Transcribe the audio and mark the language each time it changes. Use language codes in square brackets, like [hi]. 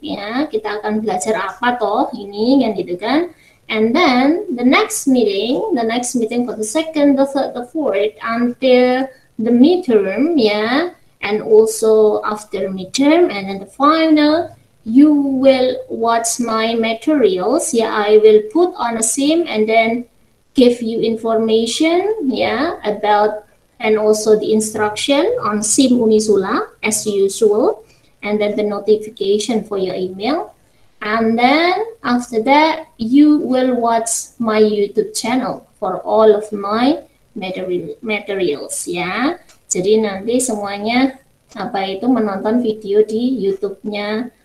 [id] Yeah, kita akan belajar apa toh ini yang gitu kan? [en] And then the next meeting for the second, the third, the fourth until the midterm. Yeah, and also after midterm and then the final. You will watch my materials. Yeah, I will put on a sim and then give you information. Yeah, about and also the instruction on sim UNISSULA as usual, and then the notification for your email. And then after that, you will watch my YouTube channel for all of my materials. [id] Yeah, jadi nanti semuanya apa itu menonton video di YouTube-nya.